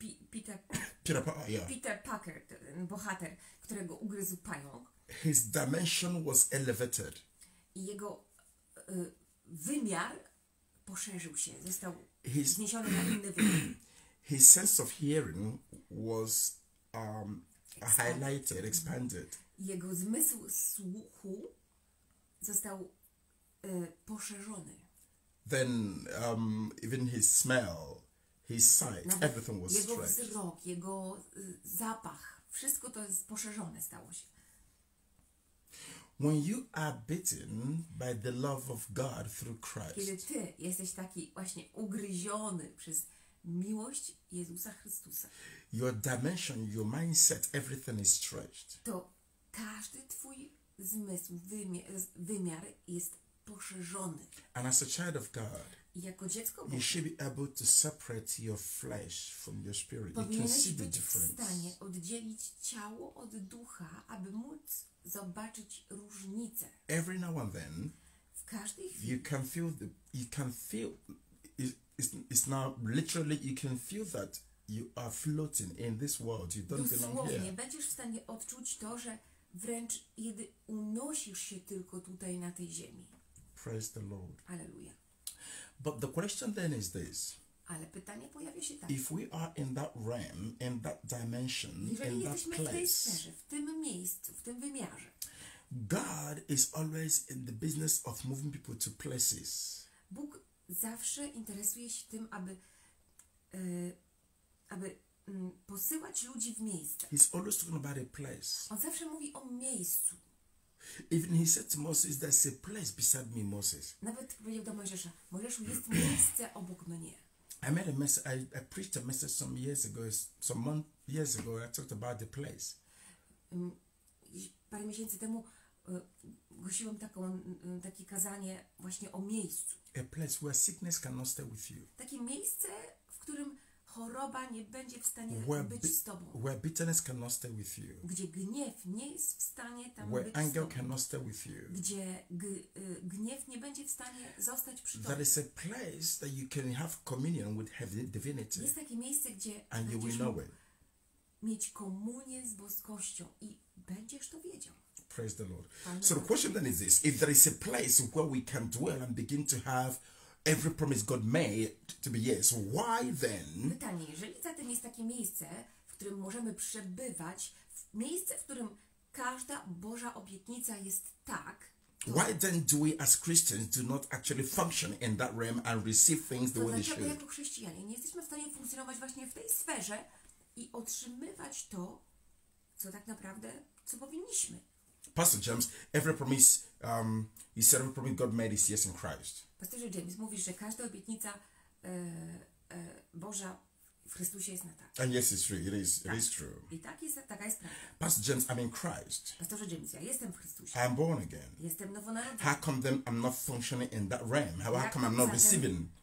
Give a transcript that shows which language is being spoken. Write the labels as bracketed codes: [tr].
[pl] Peter Parker, bohater, którego ugryzł pająk. [en] his dimension was elevated. [pl] Jego wymiar poszerzył się, został wzniesiony na inny wymiar. [en] His sense of hearing was highlighted, expanded. [pl] Jego zmysł słuchu został poszerzony. [en] Then even his smell, his sight, [pl] nawet [en] everything was [pl] jego [en] stretched. [pl] Jego wzrok, jego zapach, wszystko to jest poszerzone stało się. [en] When you are bitten by the love of God through Christ. [pl] Kiedy ty jesteś taki właśnie ugryziony przez miłość Jezusa Chrystusa. [en] Your dimension, your mindset, everything is stretched. [pl] To każdy twój zmysł, wymiar jest poszerzony. [en] And as a child of God, [pl] jako dziecko Boga, [en] you should be able to separate your flesh from your spirit. [pl] Powinieneś [en] you can see the difference. [pl] Być w stanie oddzielić ciało od ducha, aby móc zobaczyć różnicę. [en] Every now and then, [pl] w każdej chwili, [en] you can feel the, you can feel, it's now literally you can feel that you are floating in this world. You don't belong here. [pl] Dosłownie będziesz w stanie odczuć to, że wręcz kiedy unosisz się tylko tutaj na tej ziemi. [en] Praise the Lord. Hallelujah. But the question then is this. [pl] Ale pytanie pojawia się tak. [en] If we are in that realm, in that dimension, [pl] jeżeli [en] in that place, [pl] sferze, w tym miejscu, w tym wymiarze, [en] God is always in the business of moving people to places. [pl] Bóg zawsze interesuje się tym, aby posyłać ludzi w miejsce. [en] He's always talking about a place. [pl] On zawsze mówi o miejscu. [en] Even he said to Moses, there's a place beside me, Moses. [pl] Nawet powiedział do Mojżesza, Mojżeszu, jest miejsce obok mnie. [en] I made a message, I preached a message some years ago, some months years ago, I talked about the place. [pl] Parę miesięcy temu głosiłem takie kazanie właśnie o miejscu. [en] A place where sickness cannot stay with you. [pl] Takie miejsce, w którym choroba nie będzie w stanie być z tobą. [en] Where bitterness cannot stay with you. [pl] Gdzie gniew nie jest w stanie tam [en] where [pl] być [en] anger [pl] z tobą. [en] Cannot stay with you. [pl] Gdzie gniew nie będzie w stanie zostać przy tobie. [en] There is a place that you can have communion with heaven, divinity. [pl] Jest takie miejsce, gdzie [en] and you will know it. [pl] Mieć komunię z boskością i będziesz to wiedział. [en] Praise the Lord. So the question then is this: if there is a place where we can dwell and begin to have every promise God made to be yes, why then? [pl] Pytanie, jeżeli zatem jest takie miejsce, w którym możemy przebywać, miejsce, w którym każda Boża obietnica jest tak. [en] Why then do we as Christians do not actually function in that realm and receive things the way they should? [pl] To dlaczego jako chrześcijanie nie jesteśmy w stanie funkcjonować właśnie w tej sferze i otrzymywać to, co tak naprawdę, co powinniśmy? [en] Pastor James, every promise, he said every promise God made is yes in Christ. [pl] Pastorze James, mówisz, że każda obietnica Boża w Chrystusie jest na tak. [en] And yes, it's true. It is true. [pl] I tak jest, taka jest prawda. [en] Pastor James, I'm in Christ. [pl] Pastorze James, ja jestem w Chrystusie. [en] I am born again. [pl] Jestem nowonarodzony. [en] How come then I'm not functioning in that realm? How come I'm not receiving?